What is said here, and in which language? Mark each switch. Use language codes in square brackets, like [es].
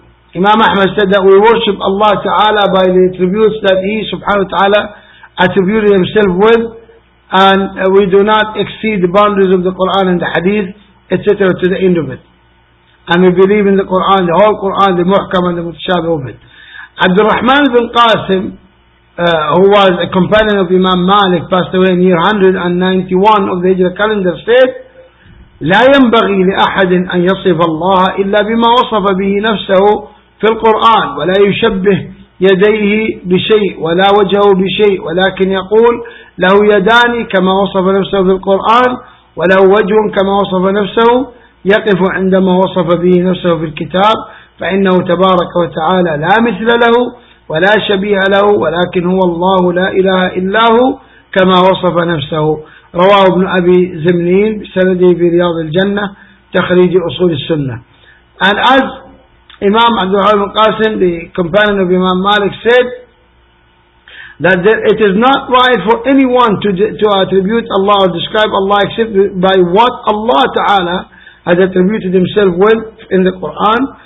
[en] Imam Ahmad said that we worship Allah Ta'ala by the attributes that He subhanahu wa ta'ala attributed Himself with, and we do not exceed the boundaries of the Quran and the Hadith, etc., to the end of it. And we believe in the Quran, the whole Quran, the Muhkam and the Mutashabih of it. Abdul Rahman ibn Qasim, who was a companion of Imam Malik, passed away in year 191 of the Hijra calendar, said, [ar] لا ينبغي لأحد أن يصف الله إلا بما وصف به نفسه في القرآن ولا يشبه يديه بشيء ولا وجهه بشيء ولكن يقول له يدان كما وصف نفسه في القرآن وله وجه كما وصف نفسه يقف عندما وصف به نفسه في الكتاب فإنه تبارك وتعالى لا مثل له ولا شبيه له ولكن هو الله لا إله إلا هو كما وصف نفسه رواه ابن أبي زمنين سنده في رياض الجنة تخريج أصول السنة. [en] And as Imam Abdul Rahman Qasim, the companion of Imam Malik, said that it is not right for anyone to attribute Allah or describe Allah except by what Allah Ta'ala has attributed Himself with in the Quran.